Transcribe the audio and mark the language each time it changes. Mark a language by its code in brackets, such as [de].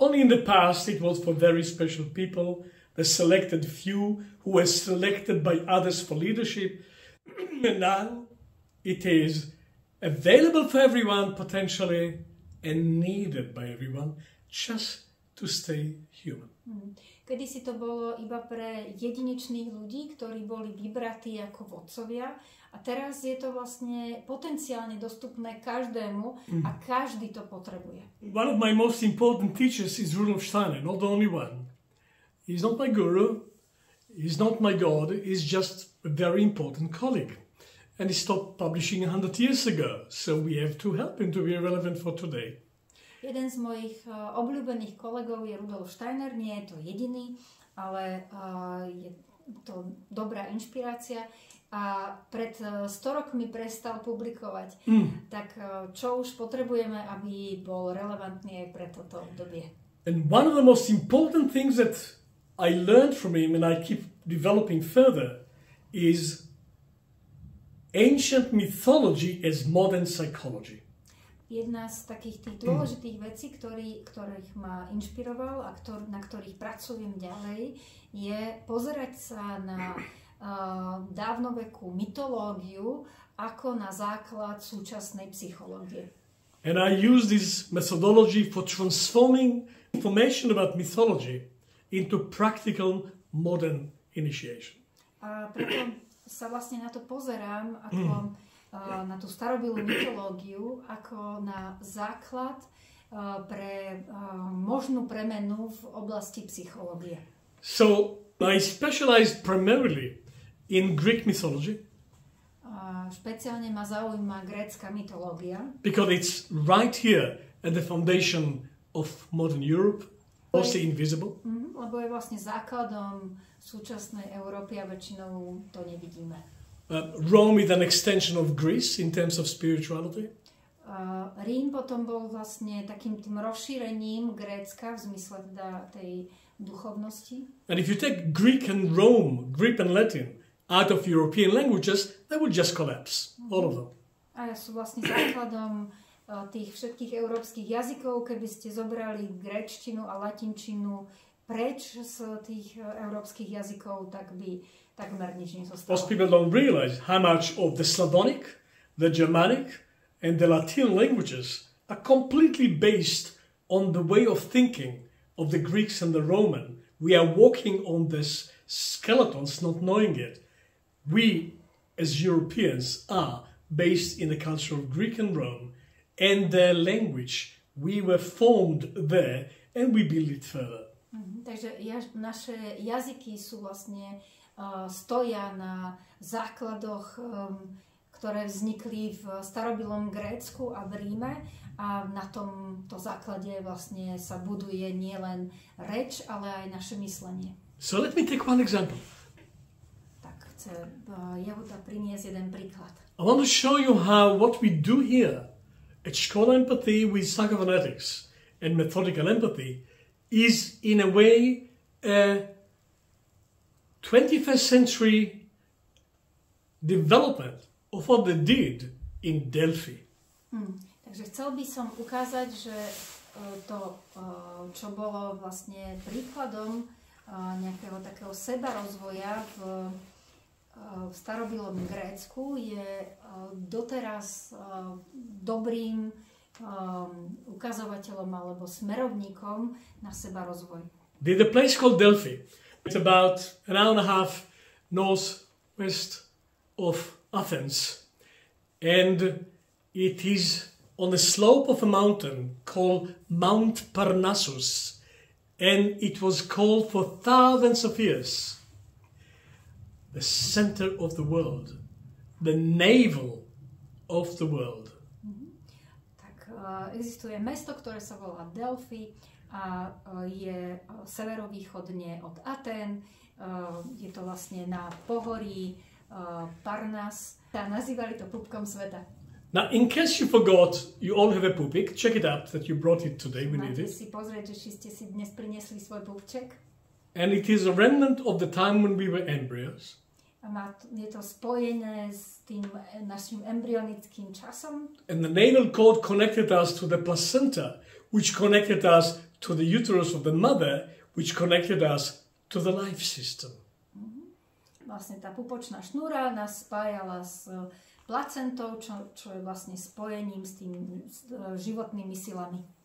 [en] Only in the past it was for very special people, the selected few who were selected by others for leadership, and now it is available for everyone potentially and needed by everyone just to stay human. [sk] Kedysi to bolo iba pre jedinečných ľudí, ktorí boli vybratí ako vodcovia, a teraz je to vlastne potenciálne dostupné každému a každý to potrebuje. [en] One of my most important teachers is Rudolf Steiner, not the only one. He's not my guru, he's not my god, he's just a very important colleague. And he stopped publishing 100 years ago, so we have to help him to be relevant for today. [sk] Jeden z mojich obľúbených kolegov je Rudolf Steiner, nie je to jediný, ale je to dobrá inšpirácia. A pred 100 rokmi prestal publikovať, tak čo už potrebujeme, aby bol relevantný aj pre toto obdobie? [en] And one of the most important things that I learned from him and I keep developing further is ancient mythology as modern psychology. [sk] Jedna z takých tých dôležitých vecí, ktorých ma inšpiroval a na ktorých pracujem ďalej, je pozerať sa na dávnovekú mytológiu ako na základ súčasnej psychológie. [en] And I use this methodology for transforming information about mythology into practical modern initiation. [sk] A preto sa vlastne na to pozerám ako na tú starobilú mytológiu ako na základ pre možnú premenu v oblasti psychológie. [en] So I specialized primarily in Greek mythology. [sk] Špeciálne ma zaujíma grécka mytológia. [en] Because it's right here at the foundation of modern Europe, mostly invisible. [sk] Lebo je vlastne základom súčasnej Európy a väčšinou to nevidíme. [en] Rome is an extension of Greece in terms of spirituality. [sk] Rím potom bol vlastne takým tým rozšírením Grécka v zmysle teda tej duchovnosti. [en] And if you take Greek and Rome, Greek and Latin, out of European languages, they would just collapse, all of them. [sk] A sú vlastne základom tých všetkých európskych jazykov, keby ste zobrali gréčtinu a latinčinu preč z tých európskych jazykov, tak by takmer nič nezostalo. [en] Most people don't realize how much of the Slavonic, the Germanic and the Latin languages are completely based on the way of thinking of the Greeks and the Roman. We are walking on this skeletons, not knowing it. We, as Europeans, are based in the culture of Greek and Rome and their language. We were formed there and we build it further. [sk] Takže naše jazyky sú vlastne stoja na základoch, ktoré vznikli v starobilom Grécku a v Ríme, a na tomto základe vlastne sa buduje nielen reč, ale aj naše myslenie. [en] So let me take one example. [sk] Tak chce Jehuda priniesť jeden príklad. [en] I want to show you how what we do here at Škola Empathy with Psychophonetics and Methodical Empathy is in a way a 21st century development of what they did in Delphi. [sk] Takže chcel by som ukázať, že to, čo bolo vlastne príkladom nejakého takého sebarozvoja v starobilom Grécku, je doteraz dobrým ukazovateľom alebo smerovníkom na seba rozvoj. [en] The place called Delphi. It's about an hour and a half northwest of Athens. And it is on the slope of a mountain called Mount Parnassus. And it was called for thousands of years the center of the world, the navel of the world. [sk] Existuje mesto, ktoré sa volá Delphi, a je severovýchodne od Aten. Je to vlastne na pohorí Parnas. Nazývali to pupkom sveta. [en] Now, in case you forgot, you all have a pupik. Check it out that you brought it today. We need it. [sk] Si pozrieť, že ste si dnes priniesli svoj pupček. [en] And it is a remnant of the time when we were embryos. [sk] Je to spojené s tým našim embryonickým časom. [en] And the navel cord connected us to the placenta, which connected us to the uterus of the mother, which connected us to the life system. [sk] Vlastne tá pupočná šnúra nás spájala s placentou, čo je vlastne spojením s tým životnými silami.